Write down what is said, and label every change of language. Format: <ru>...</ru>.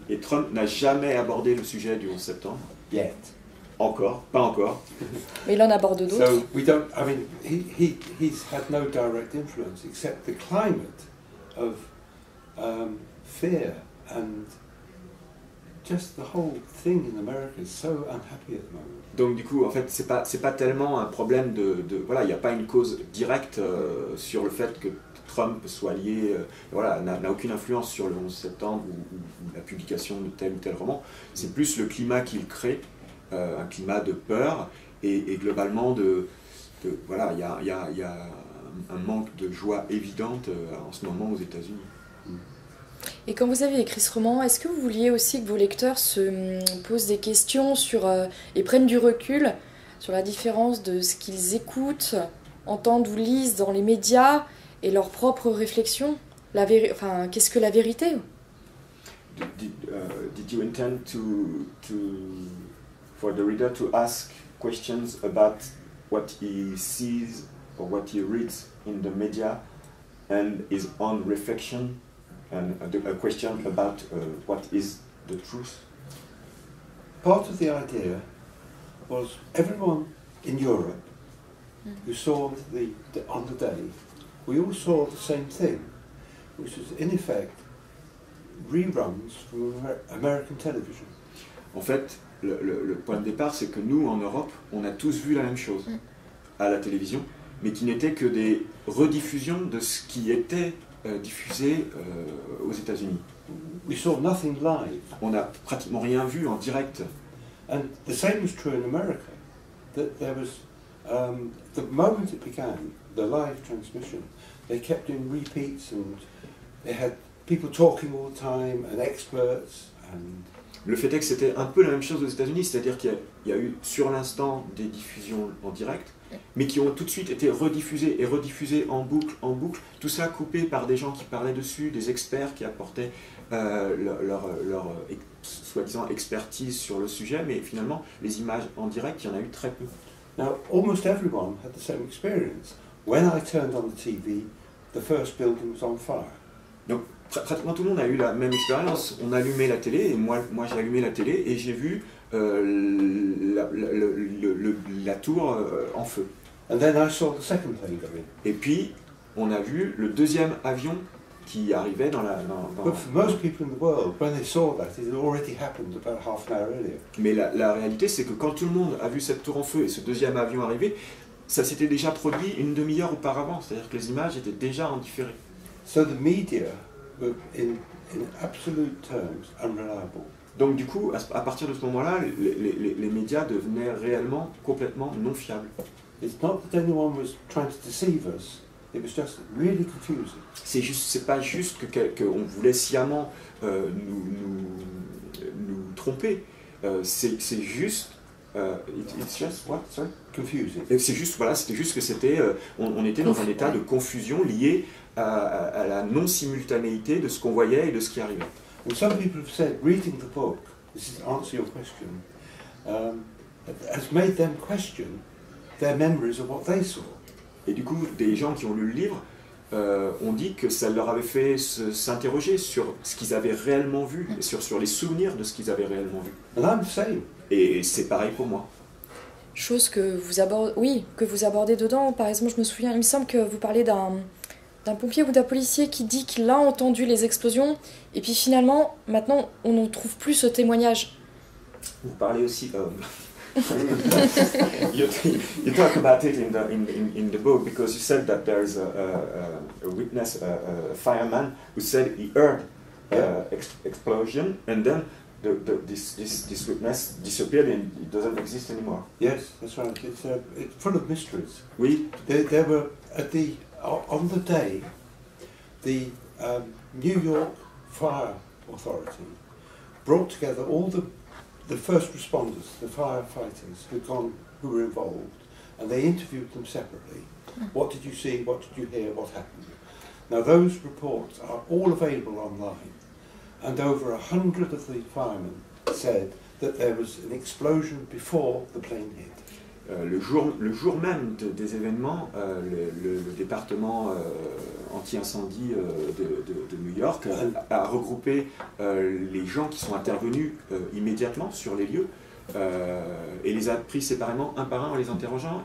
<fr>Et Trump n'a jamais abordé le sujet du 11 septembre.</fr> <en>Yet.</en> <fr>Encore, pas encore. Mais il en aborde d'autres.</fr> <en>So we don't. I mean, he's had no direct influence except the climate of fear and just the whole thing in America is so unhappy at the moment.</en> <fr>Donc du coup, en fait, c'est pas tellement un problème de voilà, il y a pas une cause directe sur le fait que Trump soit lié, n'a aucune influence sur le 11 septembre ou la publication de tel ou tel roman. C'est plus le climat qu'il crée. Un climat de peur et globalement il y a un manque de joie évidente en ce moment aux États-Unis. Et quand vous avez écrit ce roman, est-ce que vous vouliez aussi que vos lecteurs se posent des questions sur et prennent du recul sur la différence de ce qu'ils écoutent, entendent ou lisent dans les médias et leurs propres réflexions, qu'est-ce que la vérité?</fr> <en>Did you intend to for the reader to ask questions about what he sees or what he reads in the media and his own reflection and a question about what is the truth? Part of the idea was everyone in Europe who saw on the day, we all saw the same thing, which was in effect reruns from American television.</en> <fr>En fait, Le point de départ, c'est que nous, en Europe, on a tous vu la même chose à la télévision, mais qui n'était que des rediffusions de ce qui était diffusé aux États-Unis.</fr> <en>We saw nothing live.</en> <fr>On n'a pratiquement rien vu en direct.</fr> <en>And the same was true in America, that there was the moment it began, the live transmission, they kept doing repeats and they had people talking all the time and experts and.</en> <fr>Le fait est que c'était un peu la même chose aux États-Unis, c'est-à-dire qu'il y a eu sur l'instant des diffusions en direct, mais qui ont tout de suite été rediffusées et rediffusées en boucle, tout ça coupé par des gens qui parlaient dessus, des experts qui apportaient leur soi-disant expertise sur le sujet, mais finalement, les images en direct, il y en a eu très peu.</fr> <en>Now, almost everyone had the same experience. When I turned on the TV, the first building was on fire.</en> <fr>Donc, pratiquement tout le monde a eu la même expérience. On a allumé la télé, et moi j'ai allumé la télé, et j'ai vu la tour en feu.</fr> <en>And then I saw the second plane coming.</en> <fr>Et puis, on a vu le deuxième avion qui arrivait dans la...</fr> <en>But for most people in the world, when they saw that, it had already happened about half an hour earlier.</en> <fr>Mais la réalité, c'est que quand tout le monde a vu cette tour en feu et ce deuxième avion arriver, ça s'était déjà produit une demi-heure auparavant. C'est-à-dire que les images étaient déjà en différé.</fr> <en>So the media... But in absolute terms, unreliable.</en> <fr>Donc du coup, à partir de ce moment-là, les médias devenaient réellement complètement non fiables.</fr> <en>It's not that anyone was trying to deceive us. It was just really confusing.</en> <fr>C'est pas juste qu'on voulait sciemment nous tromper.</fr> <en>Confusing.</en> <fr>Et c'est juste voilà, c'était juste que c'était on était dans un état de confusion lié à la non-simultanéité de ce qu'on voyait et de ce qui arrivait.</fr> <en>Well, some people have said reading the book, this is to answer your question, has made them question their memories of what they saw.</en> <fr>Et du coup, des gens qui ont lu le livre ont dit que ça leur avait fait s'interroger sur ce qu'ils avaient réellement vu, sur les souvenirs de ce qu'ils avaient réellement vu.</fr> <en>And I'm the same.</en> <fr>Et c'est pareil pour moi. Chose que vous abordez, oui, que vous abordez dedans. Par exemple, je me souviens, il me semble que vous parlez d'un pompier ou d'un policier qui dit qu'il a entendu les explosions, et puis finalement, maintenant, on n'en trouve plus ce témoignage. Vous parlez aussi d'homme.</fr> <en>you talk about it in the book because you said that there is a witness, a fireman, who said he heard explosion, and then this witness disappeared and it doesn't exist anymore. Yes, that's right. It's full of mysteries.</en> <fr>Oui.</fr> <en>They were at the on the day, the New York Fire Authority brought together all the first responders, the firefighters who were involved, and they interviewed them separately. What did you see? What did you hear? What happened? Now those reports are all available online. And over 100 of the firemen said that there was an explosion before the plane hit.</en> <fr>Le jour même des événements, le département anti-incendie de New York a regroupé les gens qui sont intervenus immédiatement sur les lieux et les a pris séparément un par un en les interrogeant.</fr>